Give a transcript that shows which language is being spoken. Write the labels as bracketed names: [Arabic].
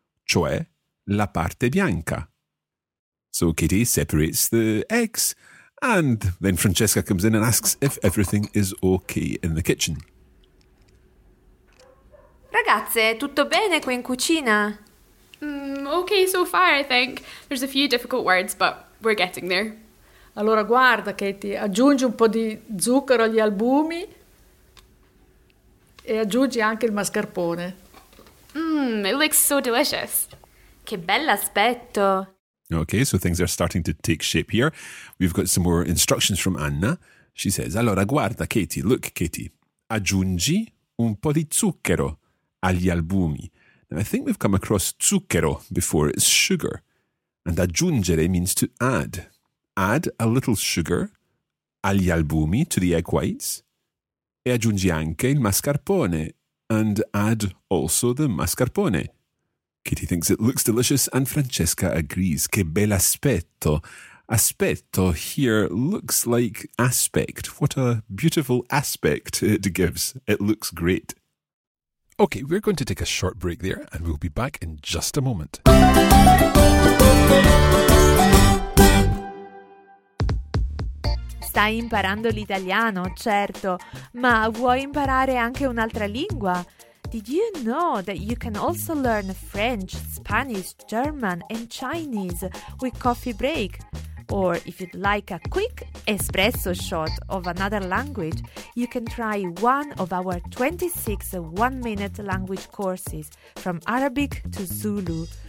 [Italian] Cioè, la parte bianca. [English] So Kitty separates the eggs. And then Francesca comes in and asks if everything is okay in the kitchen. [Italian] Ragazze, tutto bene qui in cucina? [English] Okay so far, I think. There's a few difficult words, but we're getting there. [Italian] Allora, guarda, Katie, aggiungi un po' di zucchero agli albumi e aggiungi anche il mascarpone. [English] It looks so delicious. [Italian] Che bell'aspetto! [English] Okay, so things are starting to take shape here. We've got some more instructions from Anna. She says, [Italian] allora, guarda, Katie, look, Katie, aggiungi un po' di zucchero agli albumi. [English] Now, I think we've come across zucchero before. It's sugar. And aggiungere means to add. Add a little sugar [Italian] agli albumi, [English] to the egg whites. [Italian] E aggiungi anche il mascarpone. [English] And add also the mascarpone. Katie thinks it looks delicious and Francesca agrees. [Italian] Che bell'aspetto. [English] Aspetto here looks like aspect. What a beautiful aspect it gives. It looks great. Okay, we're going to take a short break there and we'll be back in just a moment. [Italian] Stai imparando l'italiano, certo, ma vuoi imparare anche un'altra lingua? [English] Did you know that you can also learn French, Spanish, German and Chinese with Coffee Break? Or if you'd like a quick espresso shot of another language, you can try one of our 26 one-minute language courses from Arabic to Zulu.